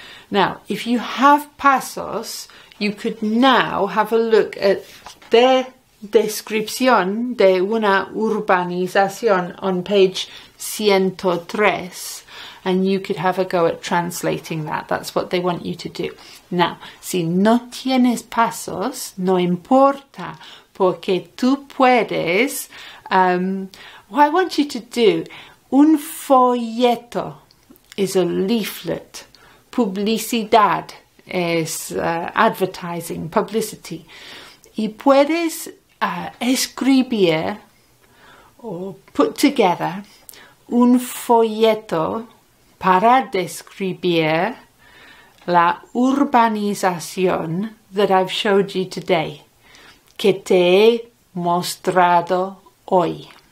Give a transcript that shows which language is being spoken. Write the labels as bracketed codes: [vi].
[en] Now, if you have Pasos, you could now have a look at the [es] descripción de una urbanización [en] on page 103, and you could have a go at translating that. That's what they want you to do. [es] Now, si no tienes Pasos, no importa, porque tú puedes. [en] What I want you to do, [es] un folleto [en] is a leaflet. [es] Publicidad es [en] advertising, publicity. [es] Y puedes escribir [en] or put together [es] un folleto para describir la urbanización [en] that I've showed you today, [es] que te he mostrado hoy.